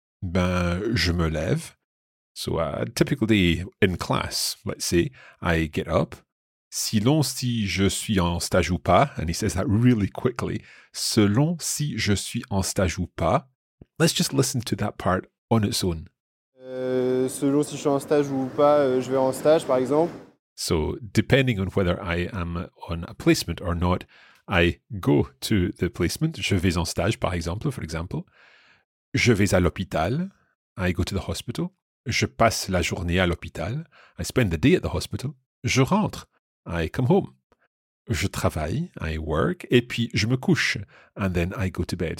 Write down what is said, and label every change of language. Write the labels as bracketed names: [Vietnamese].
[French] Ben, je me lève. [English] So a typical day in class, let's say, I get up. [French] Selon si je suis en stage ou pas, [English] and he says that really quickly, [French] selon si je suis en stage ou pas, [English] let's just listen to that part on its own. [French] Selon si je suis en stage ou pas, je vais en stage, par exemple. [English] So, depending on whether I am on a placement or not, I go to the placement. [French] Je vais en stage, par exemple, [English] for example. [French] Je vais à l'hôpital. [English] I go to the hospital. [French] Je passe la journée à l'hôpital. [English] I spend the day at the hospital. [French] Je rentre. [English] I come home. [French] Je travaille, [English] I work, [French] et puis je me couche, [English] and then I go to bed.